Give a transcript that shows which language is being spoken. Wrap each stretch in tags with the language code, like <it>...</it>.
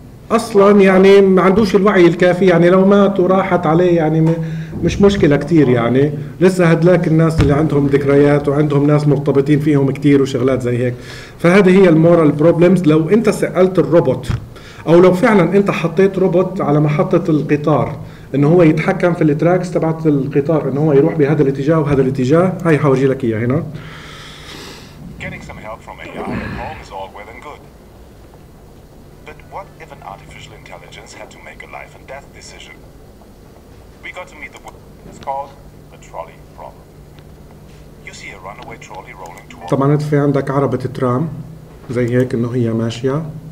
<ar>اصلا يعني ما عندوش الوعي الكافي، يعني لو مات وراحت عليه يعني مش مشكله كتير، يعني لسه هدلاك الناس اللي عندهم ذكريات وعندهم ناس مرتبطين فيهم كتير وشغلات زي هيك. فهذه هي المورال بروبلمز. لو انت سالت الروبوت او لو فعلا انت حطيت روبوت على محطه القطار انه هو يتحكم في التراكس تبعت القطار انه هو يروح بهذا الاتجاه وهذا الاتجاه، هاي حورجي لك اياها هنا.</ar> <en>Getting some help from AI at home is all well and good. But what if an artificial intelligence had to make a life and death decision? We got to meet the world. It's called the trolley problem. You see a runaway trolley rolling towards.</en> <ar>طبعا انت في عندك عربة ترام زي هيك انه هي ماشية.</ar>